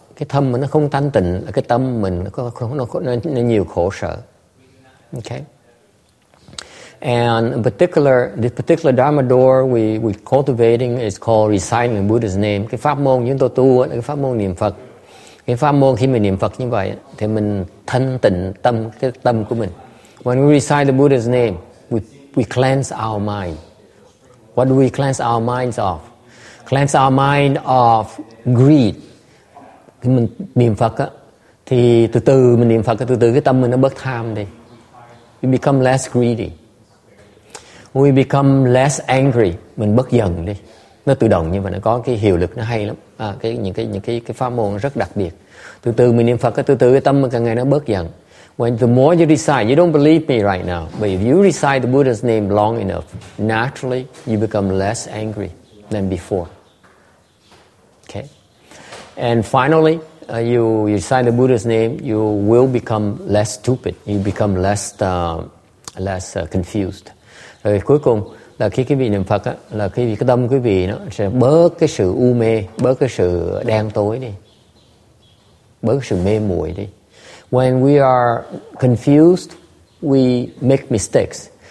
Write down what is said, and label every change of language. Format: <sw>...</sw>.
<vi>Cái tâm mình nó không thanh tịnh, cái tâm mình nó nhiều khổ sở.</vi> <en>Okay. And this particular dharma door we cultivating is called reciting the Buddha's name.</en> <vi>Cái pháp môn chúng tôi tu là cái pháp môn niệm Phật. Cái pháp môn khi mình niệm Phật như vậy thì mình thanh tịnh tâm, cái tâm của mình.</vi> <en>When we recite the Buddha's name, we cleanse our mind. What do we cleanse our minds of? Cleanse our mind of greed.</en> <vi>Khi mình niệm Phật á, thì từ từ mình niệm Phật, từ từ cái tâm mình nó bớt tham đi.</vi> <en>We become less greedy. We become less angry,</en> <vi>mình bớt giận đi. Nó tự động nhưng mà nó có cái hiệu lực nó hay lắm. Những cái pháp môn rất đặc biệt. Từ từ mình niệm Phật, từ từ cái tâm mình càng ngày nó bớt giận.</vi> <en>When the more you recite, you don't believe me right now, but if you recite the Buddha's name long enough, naturally you become less angry than before. Okay. And finally, you recite the Buddha's name, you will become less stupid. You become less confused.</en> <vi>Rồi cuối cùng là khi quý vị niệm Phật á, là khi cái tâm quý vị nó sẽ bớt cái sự u mê, bớt cái sự đen tối đi, bớt cái sự mê muội đi.</vi> <en>When we are confused, we make mistakes.</en>